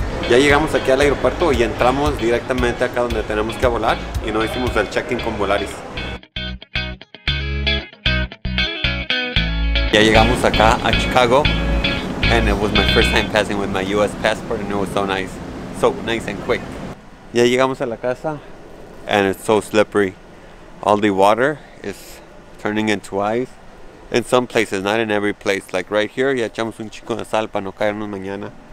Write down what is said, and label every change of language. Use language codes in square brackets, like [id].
[es] Ya llegamos aquí al aeropuerto y entramos directamente acá donde tenemos que volar y no hicimos el check-in con Volaris. Ya llegamos acá a Chicago [en] and it was my first time passing with my US passport and it was so nice and quick. [es] Ya llegamos a la casa [en] and it's so slippery. All the water is turning into ice in some places, not in every place. Like right here, [es] ya echamos un chico de sal para no caernos mañana.